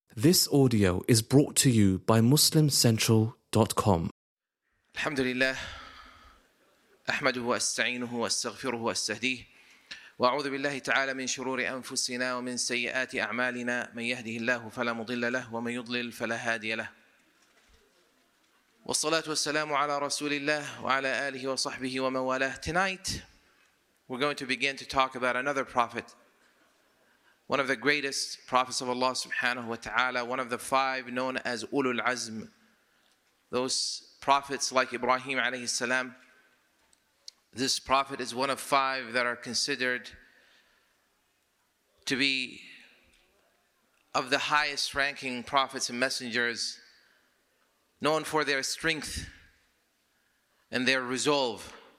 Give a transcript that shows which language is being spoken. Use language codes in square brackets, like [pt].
[en] This audio is brought to you by MuslimCentral.com. [ar] الحمد لله أحمده وأستعينه وأستغفره وأستهديه وأعوذ بالله تعالى من شرور أنفسنا ومن سيئات أعمالنا من يهده الله فلا مضل له ومن يضلل فلا هادي له والصلاة والسلام على رسول الله وعلى آله وصحبه ومن والاه. [en] Tonight we're going to begin to talk about another prophet, one of the greatest prophets of Allah subhanahu wa ta'ala, one of the five known as Ulul Azm, those prophets like Ibrahim alayhi salam. This prophet is one of five that are considered to be of the highest ranking prophets and messengers, known for their strength and their resolve.